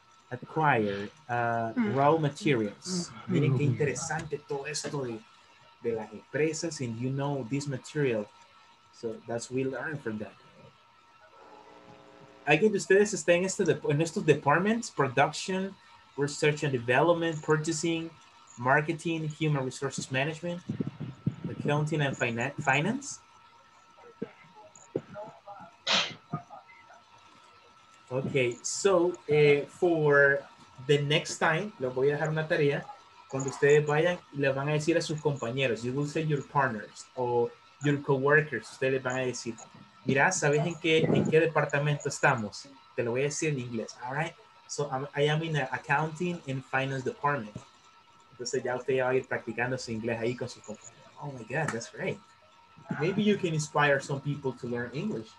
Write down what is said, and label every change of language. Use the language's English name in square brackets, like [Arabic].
[English] Acquire [Spanish] raw materials. Miren qué interesante todo esto de las empresas, and you know this material. [English] So that's we learn from that. [Spanish] ¿Alguien de ustedes está en este estos departments? [English] Production, research and development, purchasing, marketing, human resources management, accounting and finance. Okay, so for the next time, les voy a dejar una tarea. [Spanish] Cuando ustedes vayan, le van a decir a sus compañeros, you will say your partners or your coworkers, ustedes les van a decir, mira, ¿sabes en qué departamento estamos? Te lo voy a decir en inglés, all right? [English] So I am in the accounting and finance department. [Spanish] Entonces ya usted ya va a ir practicando su inglés ahí con sus compañeros. [English] Oh my God, that's great. Maybe you can inspire some people to learn English.